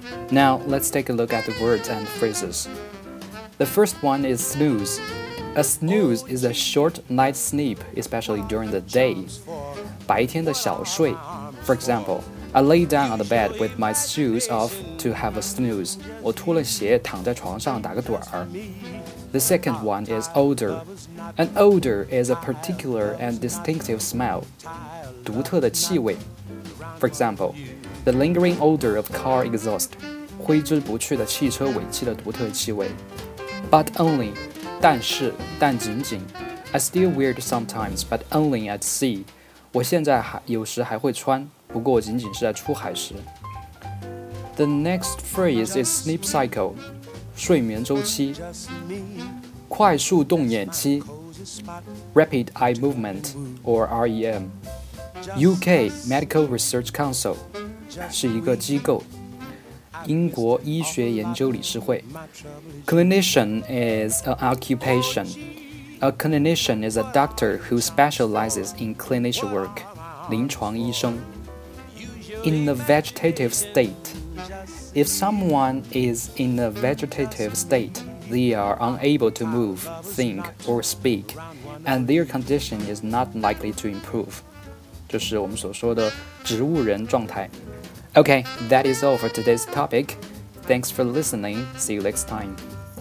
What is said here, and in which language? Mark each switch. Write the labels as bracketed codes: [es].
[en] Now, let's take a look at the words and phrases. The first one is snooze. A snooze is a short night sleep, especially during the day. [zh] 白天的小睡. [en] For example, I lay down on the bed with my shoes off to have a snooze. [zh] 我脱了鞋躺在床上打个盹儿。 [en] The second one is odor. An odor is a particular and distinctive smell. [zh] 独特的气味。 [en] For example, the lingering odor of car exhaust. [zh] 挥之不去的汽车尾气的独特气味。 [en] But only, [zh] 但是但仅仅。 [en] I still wear it sometimes, but only at sea. [zh] 我现在有时还会穿，不过仅仅是在出海时。 [en] The next phrase is sleep cycle. [zh] 睡眠周期快速动眼期 [en] Rapid Eye Movement or REM UK Medical Research Council [zh] 是一个机构英国医学研究理事会 [en] Clinician is an occupation A clinician is a doctor who specializes in clinical work [zh] 临床医生 [en] In a vegetative stateIf someone is in a vegetative state, they are unable to move, think, or speak, and their condition is not likely to improve. [zh] 这是我们所说的植物人状态。 [en] Okay, that is all for today's topic. Thanks for listening. See you next time.